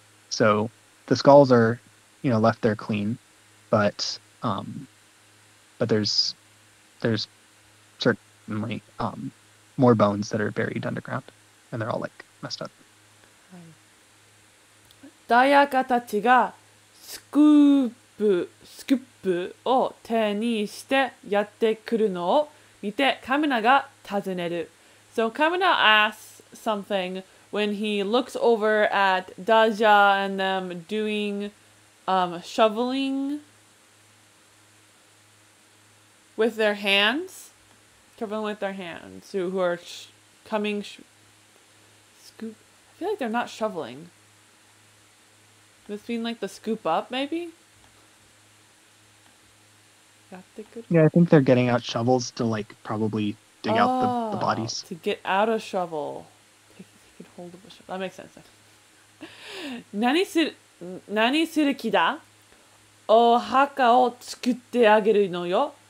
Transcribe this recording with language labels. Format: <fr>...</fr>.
<en>So the skulls are, you know, left there clean, but there's." Certainly, more bones that are buried underground, and they're all like messed up.</en> <ja>ダイヤカたちがスクープを手にしてやってくるのを見てカミナが尋ねる。</ja> <en>So Kamina asks something when he looks over at Daja and them doing shoveling with their hands. Covering with their hands, who are coming, scoop. I feel like they're not shoveling. This being like the scoop up, maybe? Yeah, I think they're getting out shovels to like probably dig out the bodies. To get out a shovel. Take hold of a shovel. That makes sense.</en> <ja>何する気だ? お墓を作ってあげるのよ。</ja>